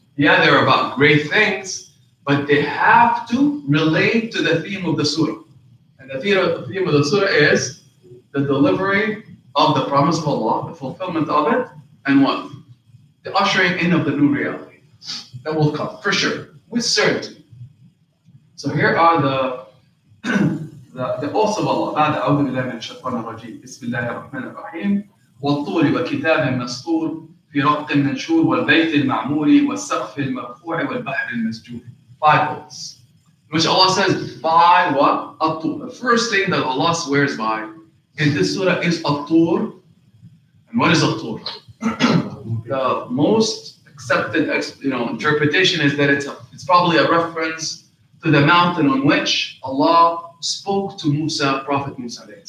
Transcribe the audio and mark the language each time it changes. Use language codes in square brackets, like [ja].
[en] Yeah, they're about great things, but they have to relate to the theme of the surah. And the theme of the surah is the delivery of the promise of Allah, the fulfillment of it, and what? The ushering in of the new reality that will come, for sure, with certainty. So here are the oaths of Allah. [ar] بعد أعوذ بالله من الشيطان الرجيم بسم الله الرحمن الرحيم والطور وكتاب مسطور في رق منشور والبيت المعمور والسقف المرفوع والبحر المسجور. [en] Five oaths. Which Allah says, by what? At-Tur. The first thing that Allah swears by in this surah is At-Tur. And what is At-Tur? The most accepted interpretation is that it's probably a reference to the mountain on which Allah spoke to Musa, Prophet Musa.